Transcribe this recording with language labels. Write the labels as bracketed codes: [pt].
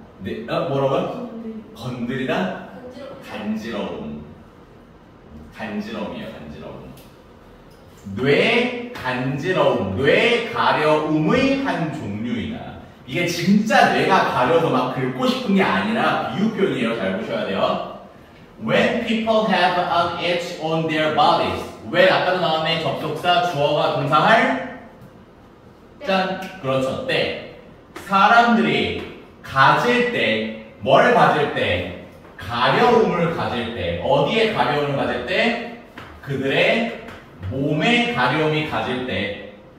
[ko] 네, 뭐라고요? 건드리다? 간지러움. 간지러움이야, 간지러움. 뇌 간지러움, 뇌 가려움의 한 종류이다. 이게 진짜 뇌가 가려서 막 긁고 싶은 게 아니라 비유 표현이에요. 잘 보셔야 돼요. [en] When people have an itch on their bodies. [ko] 왜 아까도 나왔네. 접속사 주어가 동사할 짠! 그렇죠. 때. 사람들이 가질 때, 뭘 가질 때? 가려움을 가질 때. 어디에 가려움을 가질 때? 그들의 몸에 가려움이 가질 때.